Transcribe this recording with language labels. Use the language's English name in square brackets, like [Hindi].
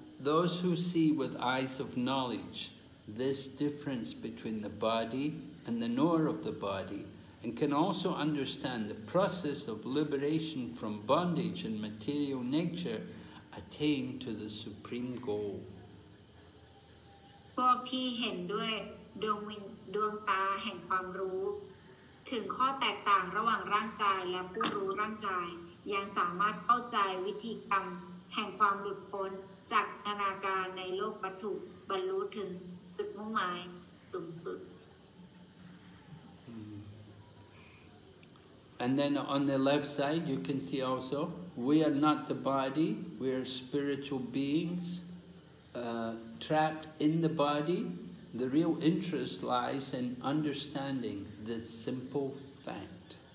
[English] Those who see with eyes of knowledge this difference between the body and the knower of the body and can also understand the process of liberation from bondage and material natureattain to the supreme goal [Thai] พวกที่เห็นด้วยดวงตาแห่งความรู้ถึงข้อแตกต่างระหว่างร่างกายและผู้รู้ร่างกายยังสามารถเข้าใจวิธีกรรมแห่งความหลุดพ้นจากนานาการในโลกวัตถุบรรลุถึงจุดมุ่งหมายสูงสุด [English] And then on the left side you can see alsoWe are not the body, we are spiritual beings trapped in the body. The real interest lies in understanding this simple fact.